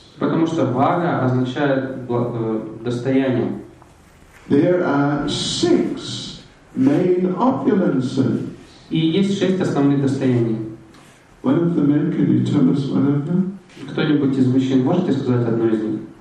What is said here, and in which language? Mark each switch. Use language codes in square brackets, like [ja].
[ru] Потому что Бхага означает достояние. [en] There are six main opulences. [ru] И есть шесть основных достояний. [en] One of the men, can you tell us one of them? [ru] Кто-нибудь из мужчин, можете сказать одно из них?